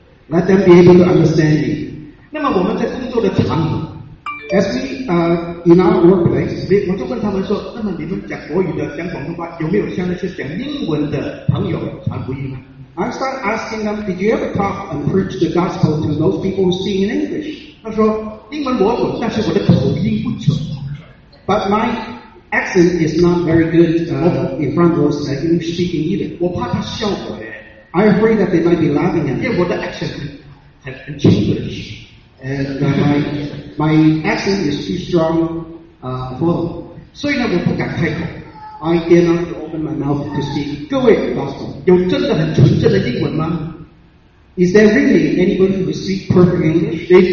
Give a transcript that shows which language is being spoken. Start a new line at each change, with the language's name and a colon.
English: Let them be able to understand you.
Chinese: 那么我们在工作的场合,
English: as we in our workplace,
Chinese: 我就问他们说, 那么你们讲国语的讲广东话, 有没有像那些讲英文的朋友传福音吗?
English: I start asking them, did you ever talk and preach the gospel to those people who speak in English?
Chinese: 他说, 英文我懂, 但是我的口音不准。
English: But my accent is not very good in front of those English speaking either.
Chinese: 我怕他笑我。
English: I afraid that they might be laughing at me.
Chinese: 因为我的accent很清楚的。
English: And my accent is too strong for them.
Chinese: 所以呢，我不敢开口。
English: I dare not open my mouth to speak.
Chinese: 各位，Gospel, 有真的很纯正的英文吗?
English: Is there really anybody who speaks perfect English?